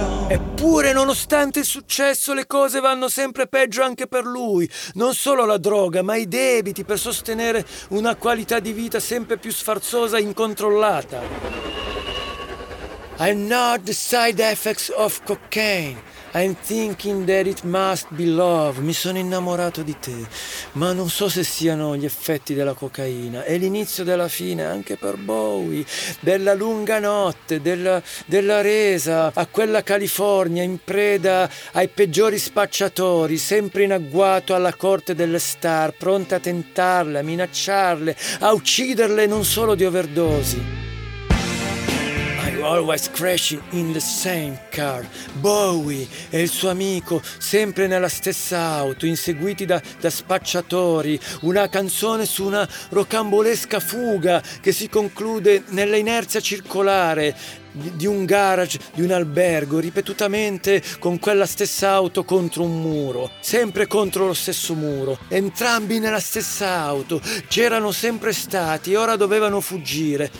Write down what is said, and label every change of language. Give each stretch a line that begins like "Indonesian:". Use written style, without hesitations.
Italian: Eppure, nonostante il successo, le cose vanno sempre peggio anche per lui. Non solo la droga, ma i debiti per sostenere una qualità di vita sempre più sfarzosa e incontrollata.
English: I'm not the side effects of cocaine. I'm thinking that it must be love.
Italian: Mi sono innamorato di te, ma non so se siano gli effetti della cocaina. È l'inizio della fine anche per Bowie, della lunga notte, della resa a quella California in preda ai peggiori spacciatori, sempre in agguato alla corte delle star, pronte a tentarle, a minacciarle, a ucciderle non solo di overdosi.
English: Always crashing in the same car.
Italian: Bowie e il suo amico sempre nella stessa auto, inseguiti da spacciatori. Una canzone su una rocambolesca fuga che si conclude nell'inerzia circolare di un garage, di un albergo, ripetutamente con quella stessa auto contro un muro, sempre contro lo stesso muro, entrambi nella stessa auto, c'erano sempre stati, ora dovevano fuggire.